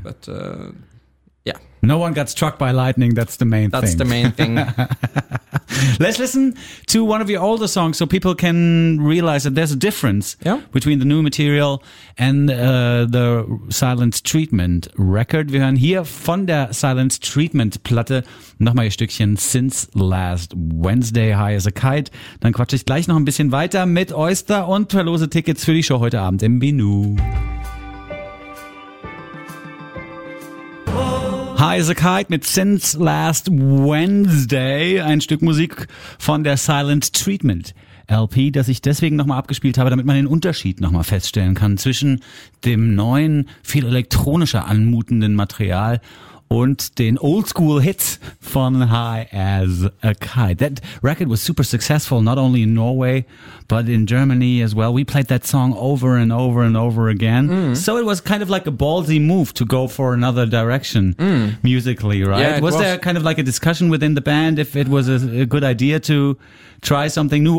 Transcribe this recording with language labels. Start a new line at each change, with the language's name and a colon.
English: But, No one got struck by lightning. That's the main thing. That's the main thing. Let's listen to one of your older songs so people can realize that there's a difference between the new material and the Silence Treatment record.
German: Wir hören hier von der Silence Treatment Platte nochmal ein Stückchen Since Last Wednesday, High as a Kite. Dann quatsche ich gleich noch ein bisschen weiter mit Oyster und verlose Tickets für die Show heute Abend im Binu. High as a Kite mit Since Last Wednesday, ein Stück Musik von der Silent Treatment LP, das ich deswegen nochmal abgespielt habe, damit man den Unterschied nochmal feststellen kann zwischen dem neuen, viel elektronischer anmutenden Material und den Oldschool-Hits von High as a Kite.
English: That record was super successful, not only in Norway, but in Germany as well. We played that song over and over and over again. Mm. So it was kind of like a ballsy move to go for another direction musically, right? Yeah, was there kind of like a discussion within the band if it was a good idea to try something new?